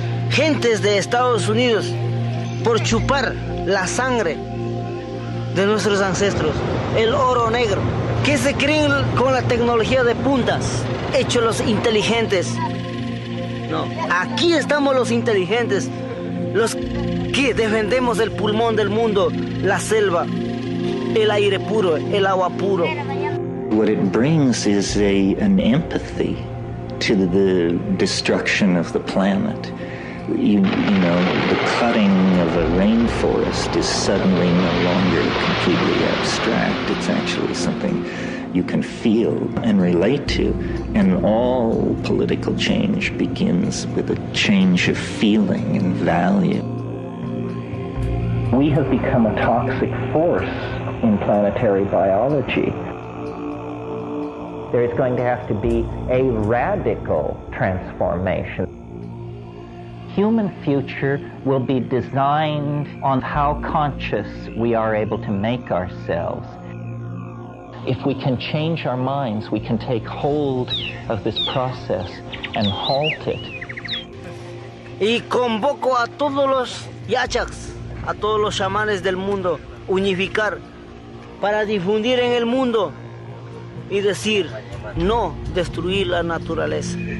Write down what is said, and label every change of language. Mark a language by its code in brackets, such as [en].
[es] Gentes de Estados Unidos, por chupar la sangre de nuestros ancestros, el oro negro, que se creen con la tecnología de puntas, hecho los inteligentes. No, aquí estamos los inteligentes, los que defendemos el pulmón del mundo, la selva, el aire puro, el agua puro. [en] What it brings is an empathy to the destruction of the planet. You know, the cutting of a rainforest is suddenly no longer completely abstract. It's actually something you can feel and relate to. And all political change begins with a change of feeling and value. We have become a toxic force in planetary biology. There is going to have to be a radical transformation. Human future will be designed on how conscious we are able to make ourselves. If we can change our minds, we can take hold of this process and halt it. [es] Y convoco a todos los yachaks, a todos los chamanes del mundo, unificar para difundir en el mundo y decir, no destruir la naturaleza.